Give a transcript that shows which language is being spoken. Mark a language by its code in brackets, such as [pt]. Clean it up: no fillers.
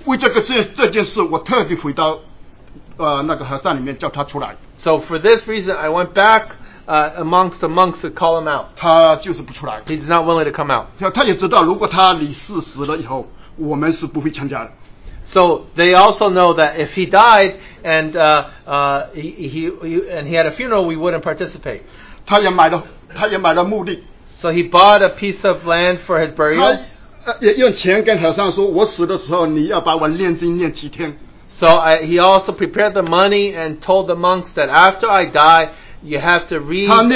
[zh] 为这个事这件事，我特地回到，那个和尚里面叫他出来。 [en] So for this reason, I went back, amongst the monks to call him out. [zh] 他就是不出来。 [en] He's not willing to come out. [zh] 他也知道，如果他李四死了以后，我们是不会参加的。 [en] So they also know that if he died and he had a funeral, we wouldn't participate. [zh] 他也买了墓地。 [en] So he bought a piece of land for his burial. [zh] 也用钱跟和尚说，我死的时候你要把我念经念七天。 [en] So I, he also prepared the money and told the monks that after I die, you have to read